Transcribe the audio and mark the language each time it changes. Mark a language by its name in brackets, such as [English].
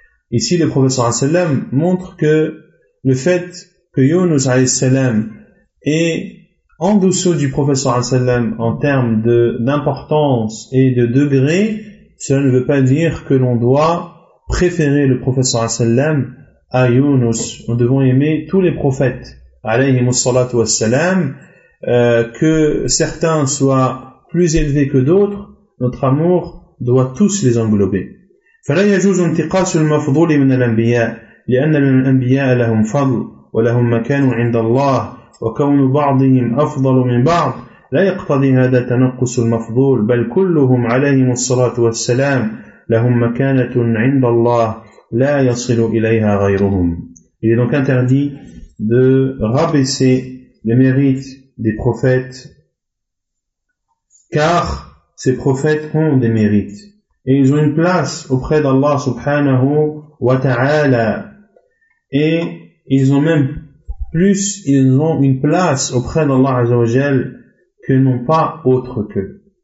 [French] Ici, le prophète sallallahu alayhi salam montre que le fait que Yunus alayhi salam est en dessous du prophète sallallahu alayhi salam en termes d'importance et de degré, cela ne veut pas dire que l'on doit préférer le prophète sallallahu alayhi wa sallam à Younous. Nous devons aimer tous les prophètes, alayhimu sallatu wassalam, que certains soient plus élevés que d'autres, notre amour doit tous les englober. [Arabic] فلا يجوز انتقاص المفضول من الأنبياء لأن الأنبياء لهم فضل ولهم مكان عند الله وكون بعضهم أفضل من بعض لا يقتضي هذا تنقص المفضول بل كلهم عليهم الصلاة والسلام لهم مكانة عند الله لا يصل إليها غيرهم. [French] Il est donc interdit de rabaisser les mérites des prophètes, car ces prophètes ont des mérites et ils ont une place auprès d'Allah subhanahu wa ta'ala, et ils ont même plus, ils ont une place auprès d'Allah azza wa jal que n'ont pas autre qu'eux.